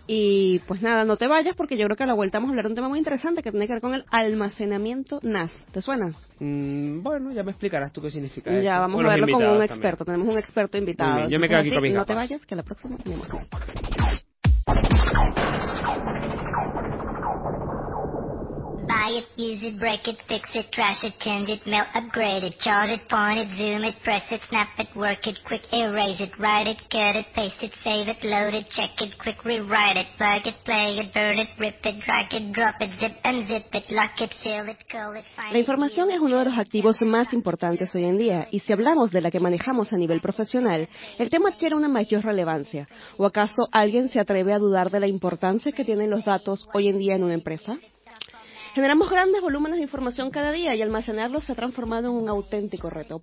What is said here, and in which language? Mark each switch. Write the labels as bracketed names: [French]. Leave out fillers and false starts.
[Spanish] Y pues nada, no te vayas porque yo creo que a la vuelta vamos a hablar de un tema muy interesante que tiene que ver con el almacenamiento NAS. ¿Te suena? Bueno, ya me explicarás tú qué significa ya, eso. Ya, vamos a verlo con un experto, también. Tenemos un experto invitado. Yo me quedo aquí con mis gafas. No te vayas, que la próxima tenemos. [English] Buy it, use it, break it, fix it, trash it, change it, mail, upgrade it, charge it, point it, zoom it, press it, snap it, work it, quick erase it, write it, cut it, paste it, save it, load it, check it, quick rewrite it, plug it, play it, burn it, rip it, drag it, drop it, zip and zip it, lock it, fill it, call it, find it. [Spanish] La información es uno de los activos más importantes hoy en día, y si hablamos de la que manejamos a nivel profesional, el tema adquiere una mayor relevancia. ¿O acaso alguien se atreve a dudar de la importancia que tienen los datos hoy en día en una empresa? Generamos grandes volúmenes de información cada día y almacenarlos se ha transformado en un auténtico reto.